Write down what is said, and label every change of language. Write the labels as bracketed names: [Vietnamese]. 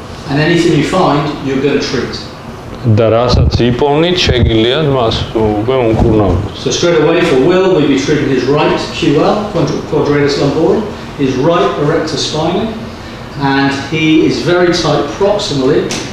[English] And anything you find, you're going to treat. [Georgian] და რასაც იპოვნით, შეგიძლია მას უკვე უკურნავთ. [English] So straight away for Will, we'll be treating his right QL, quadratus lumborum, his right erector spinae, and he is very tight proximally.